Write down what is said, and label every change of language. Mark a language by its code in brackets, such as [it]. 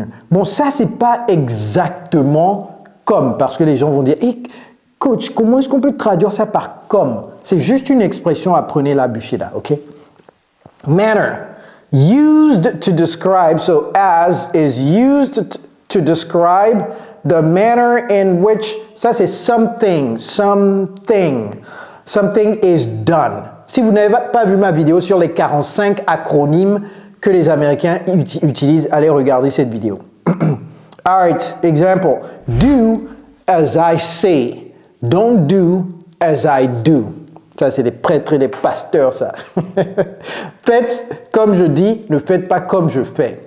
[fr] Bon, ça, c'est pas exactement comme, parce que les gens vont dire, hey, coach, comment est-ce qu'on peut traduire ça par comme? C'est juste une expression, apprenez-la, bûchez-la, okay? [en] Manner. Used to describe, so as is used to describe the manner in which, [fr] ça c'est [en] something is done. [fr] Si vous n'avez pas vu ma vidéo sur les 45 acronymes que les Américains utilisent, allez regarder cette vidéo. [en] All right, example, do as I say, don't do as I do. [fr] Ça, c'est des prêtres et des pasteurs, ça. Faites comme je dis, ne faites pas comme je fais.